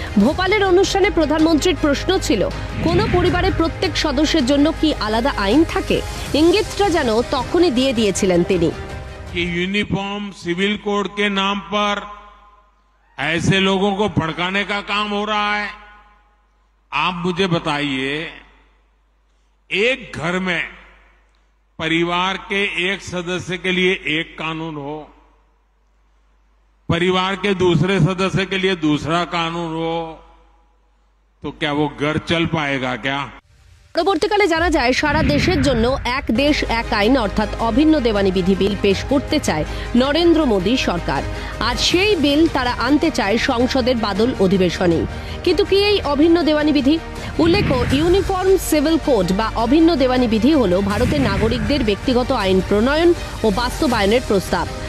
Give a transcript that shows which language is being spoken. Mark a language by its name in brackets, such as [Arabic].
[Bangla] ভোপালের অনুষ্ঠানে প্রধানমন্ত্রীর প্রশ্ন ছিল, কোনো পরিবারের প্রত্যেক সদস্যের জন্য কি আলাদা আইন থাকে? ইঙ্গিতটা যেন তখনই দিয়ে দিয়েছিলেন তিনি। [Hindi] ইউনিফর্ম সিভিল কোড কে নাম পর এসে লোকোঁ কো ভড়কানে কা কাম হো রাহা হ্যায়। आप मुझे बताइए, एक घर में परिवार के एक सदस्य के लिए एक कानून हो, परिवार के दूसरे सदस्य के लिए दूसरा कानून हो, तो क्या वो घर चल पाएगा क्या? [Bangla] পরবর্তীকালে জানা যায় সারা দেশের জন্য এক দেশ এক আইন অর্থাৎ অভিন্ন দেওয়ানি বিধি বিল পেশ করতে চায় নরেন্দ্র মোদী সরকার। আর সেই বিল তারা আনতে চায় সংসদের বাদল অধিবেশনে। কিন্তু কি এই অভিন্ন দেওয়ানি বিধি? উল্লেখ্য, ইউনিফর্ম সিভিল কোড বা অভিন্ন দেওয়ানি বিধি হল ভারতের নাগরিকদের ব্যক্তিগত আইন প্রণয়ন ও বাস্তবায়নের প্রস্তাব।